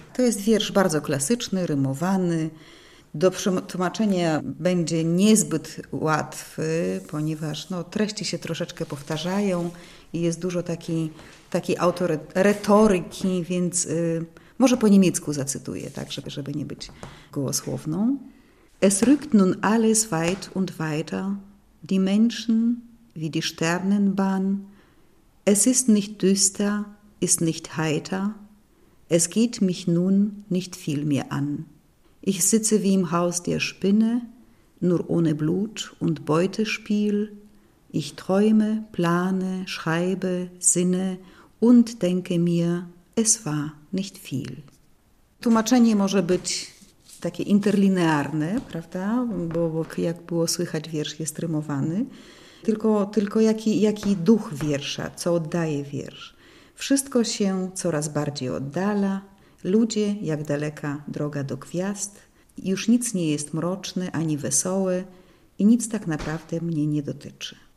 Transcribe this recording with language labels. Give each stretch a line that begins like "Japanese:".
Polish: To jest wiersz bardzo klasyczny, rymowany. Do przetłumaczenia będzie niezbyt łatwy, ponieważ no, treści się troszeczkę powtarzają i jest dużo takiej autoretoryki, więc może po niemiecku zacytuję, tak, żeby nie być gołosłowną.
German: Es rückt nun alles weit und weiter, die Menschen wie die Sternenbahn. Es ist nicht düster, ist nicht heiter, es geht mich nun nicht viel mehr an. Ich sitze wie im Haus der Spinne, nur ohne Blut und Beutespiel. Ich träume, plane, schreibe, sinne und denke mir, es war nicht viel.
Polish: Tłumaczenie może być takie interlinearne, prawda? Bo jak było słychać, wiersz jest rymowany. Tylko jaki duch wiersza, co oddaje wiersz? Wszystko się coraz bardziej oddala. Ludzie, jak daleka droga do gwiazd, już nic nie jest mroczne ani wesołe i nic tak naprawdę mnie nie dotyczy.